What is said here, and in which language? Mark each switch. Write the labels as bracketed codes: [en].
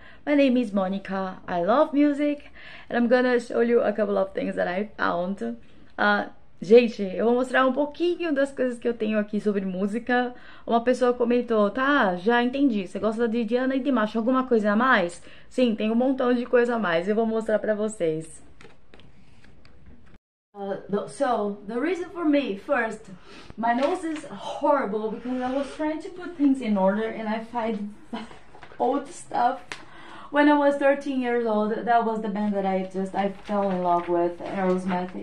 [en] My name is Monica, I love music, and I'm gonna show you a couple of things that I found. [pt] Gente, eu vou mostrar um pouquinho das coisas que eu tenho aqui sobre música. Uma pessoa comentou, tá, já entendi, você gosta de Diana e de Macho, alguma coisa a mais? Sim, tem um montão de coisa a mais, eu vou mostrar pra vocês. [en] So the reason for me, first, my nose is horrible because I was trying to put things in order and I find old stuff. When I was 13 years old, that was the band that I fell in love with, Aerosmith.